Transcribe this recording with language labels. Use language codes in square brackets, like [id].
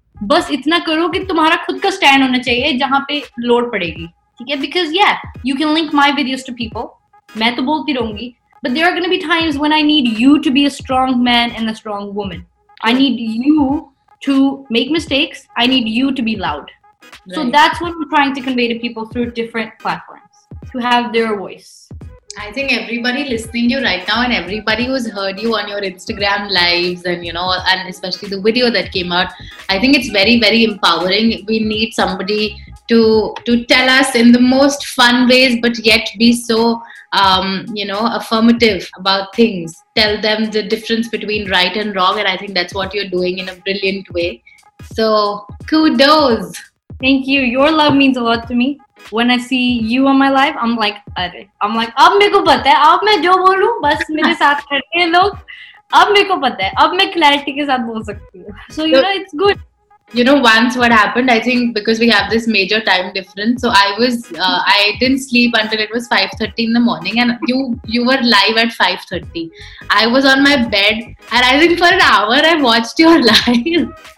[hi] बस इतना करो कि तुम्हारा खुद का स्टैंड होना चाहिए जहां पे लोड पड़ेगी ठीक है [en] because yeah you can link my videos to people [hi] मैं तो बोलती रहूंगी [en] But there are gonna be times when I need you to be a strong man and a strong woman I need you to make mistakes I need you to be loud so that's what I trying to convey to people through different platforms to have their voice I think everybody listening to you right now and everybody who's heard you on your Instagram lives and, you know, and especially the video that came out, I think it's very, very empowering. We need somebody to tell us in the most fun ways, but yet be so, you know, affirmative about things. Tell them the difference between right and wrong. And I think that's what you're doing in a brilliant way. So kudos. Thank you. Your love means a lot to me. When I see you on my life, I'm like, [hi] अरे, [en] I'm like, [hi] अब मेरे को पता है, अब मैं जो बोलूँ, बस मेरे साथ करते हैं लोग, अब मेरे को पता है, अब मैं clarity के साथ बोल सकती हूँ. [en] So you know, it's good. You know, once what happened, I think because we have this major time difference, so I was, I didn't sleep until it was 5:30 in the morning, and you were live at 5:30. I was on my bed, and I think for an hour I watched your live.